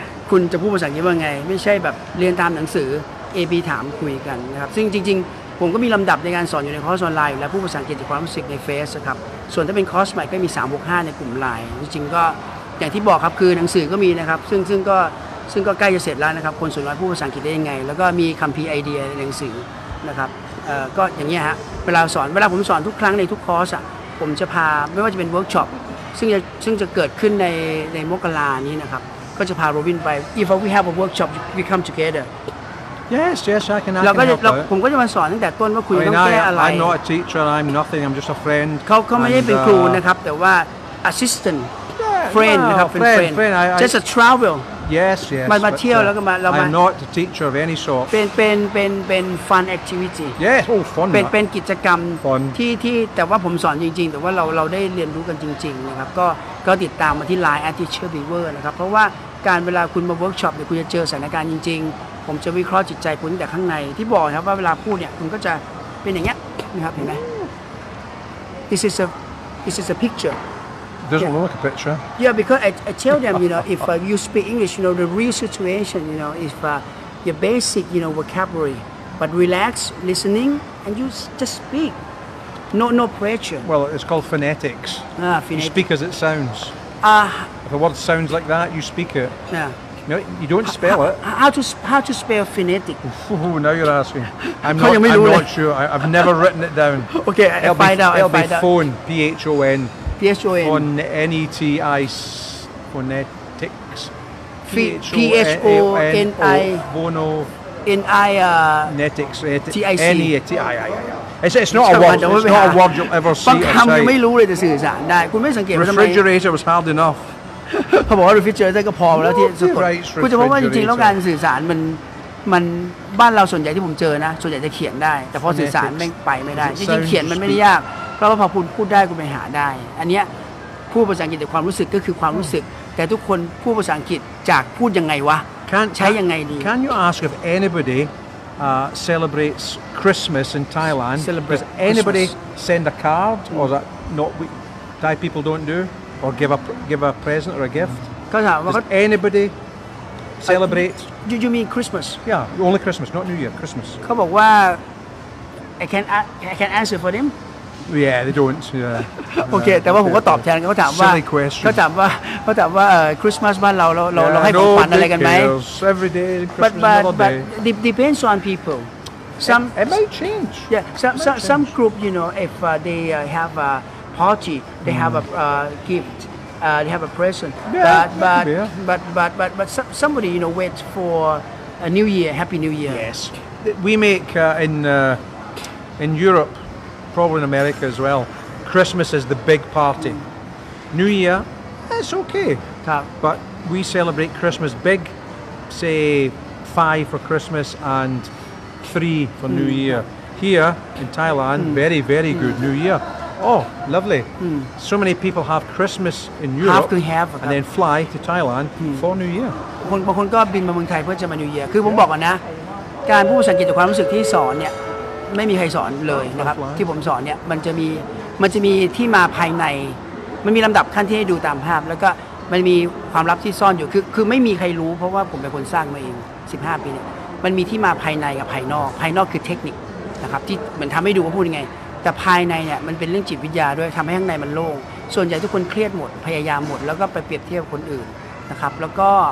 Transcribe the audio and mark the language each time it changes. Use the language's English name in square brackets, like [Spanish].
[Thai] คุณจะพูดภาษาอังกฤษว่าไงไม่ใช่แบบเรียนตามหนังสือ A B ถามคุยกันนะครับซึ่งจริงผมก็มีลำดับในการสอนอยู่ในคอร์สออนไลน์และผู้ภาษาอังกฤษจากความรู้สึกในเฟซครับส่วนถ้าเป็นคอร์สใหม่ก็มี 3-5 ในกลุ่มไลน์จริงๆก็อย่างที่บอกครับคือหนังสือก็มีนะครับซึ่งก็ใกล้จะเสร็จแล้วนะครับคนส่วนใหญ่ผู้ภาษาอังกฤษได้ยังไงแล้วก็มีคัมภีร์ไอเดียในหนังสือนะครับก็อย่างเงี้ยฮะเวลาผมสอนทุกครั้งในทุกคอร์สผมจะพาไม่ว่าจะเป็นเวิร์กช็อปซึ่งจะเกิดขึ้นในมกรานี้นะครับ ก็จะพาโรบินไป [English] if we have a workshop we come together yes yes I can [Thai] เราก็จะผมก็จะมาสอนตั้งแต่ต้นว่าคุณต้องแก้อะไร [English] I'm not a teacher I'm nothing I'm just a friend [Thai] เขาไม่ได้เป็นครูนะครับแต่ว่า assistant friend นะครับ [English] friend just a travel Yes, yes. [Thai] มาเที่ยวแล้วก็มาเรามา [English] I'm not a teacher of any sort. [Thai] เป็น [English] fun activity. Yes, oh fun. [Thai] เป็นกิจกรรม [English] fun. [Thai] ที่แต่ว่าผมสอนจริงๆแต่ว่าเราได้เรียนรู้กันจริงๆนะครับก็ติดตามมาที่ Line Teacher Beaver นะครับเพราะว่าการเวลาคุณมาเวิร์กช็อปเนี่ยคุณจะเจอสถานการณ์จริงๆผมจะวิเคราะห์จิตใจคุณแต่ข้างในที่บอกนะครับว่าเวลาพูดเนี่ยคุณก็จะเป็นอย่างเงี้ยนะครับเห็นมั้ย [English] This is a picture. It doesn't look like a picture. Yeah, because I tell them, you know, if you speak English, you know, the real situation, you know, is your basic, you know, vocabulary. But relax, listening, and you just speak. No pressure. Well, it's called phonetics. Phonetic. You speak as it sounds. If a word sounds like that, you speak it. Yeah. You know, you don't spell it. How to spell phonetic? Oh, now you're asking. I'm not sure. I've never written it down. Okay, I'll find out. It'll be phone, P-H-O-N. P-H-O-N. P-H-O-N-E-T-I-S phonetics. P-H-O-N-I. Bono. N-I. Netics. T-I-C. N-E-T-I-I. It's not a word. It's not a word you'll ever see. [Thai] บางคำยังไม่รู้เลยจะสื่อสารได้คุณไม่สังเกตว่าทำไม [English] Refrigerator was hard enough. [Thai] เขาบอกว่า refrigerator ก็พอแล้วที่สุด คุณจะพบว่าจริงๆแล้วการสื่อสารมันบ้านเราส่วนใหญ่ที่ผมเจอนะส่วนใหญ่จะเขียนได้แต่พอสื่อสารไปไม่ได้จริงๆเขียนมันไม่ได้ยากเราพอคุณพูดได้คุณไปหาได้อันเนี้ยพูดภาษาอังกฤษแต่ความรู้สึกก็คือความรู้สึกแต่ทุกคนพูดภาษาอังกฤษจากพูดยังไงวะใช้ยังไงดี [English] Can you ask if anybody celebrates Christmas in Thailand? Celebrate Does anybody Christmas. Send a card or is that not what Thai people don't do or give a present or a gift? Does anybody celebrate? Do you mean Christmas? Yeah, only Christmas, not New Year. Christmas. [Thai] เขาบอกว่า [English] I can answer for them. Yeah, they don't. Yeah. [Thai] Okay, แต่ว่าผมก็ตอบแทนเขาถามว่ าเขาถามว่าคริสต์มาสบ้านเราให้ของขวัญอะไรกันไหม [English] Every day, Christmas, but depends on people. Some it might change. Yeah, some group, you know, if they have a party, they have a gift, they have a present. Yeah, but somebody, you know, waits for a New Year, Happy New Year. Yes, we make in Europe. Probably in America as well. Christmas is the big party. Mm. New Year, it's okay. Top. But we celebrate Christmas big, say 5 for Christmas and 3 for New Year. Here in Thailand, very, very good New Year. Oh, lovely. So many people have Christmas in Europe and then fly to Thailand for New Year. [Thai] บางคนก็บินมาเมืองไทยเพื่อจะมา New Year. คือผมบอกก่อนนะการพูดภาษาอังกฤษความรู้สึกที่สอนเนี่ยไม่มีใครสอนเลยนะครับที่ผมสอนเนี่ยมันจะมีที่มาภายในมันมีลำดับขั้นที่ให้ดูตามภาพแล้วก็มันมีความลับที่ซ่อนอยู่คือไม่มีใครรู้เพราะว่าผมเป็นคนสร้างมาเอง15ปีเนี่ยมันมีที่มาภายในกับภายนอกภายนอกคือเทคนิคนะครับที่มันทำให้ดูว่าพูดยังไงแต่ภายในเนี่ยมันเป็นเรื่องจิตวิทยาด้วยทำให้ข้างในมันโล่งส่วนใหญ่ทุกคนเครียดหมดพยายามหมดแล้วก็ไปเปรียบเทียบคนอื่นนะครับแล้วก็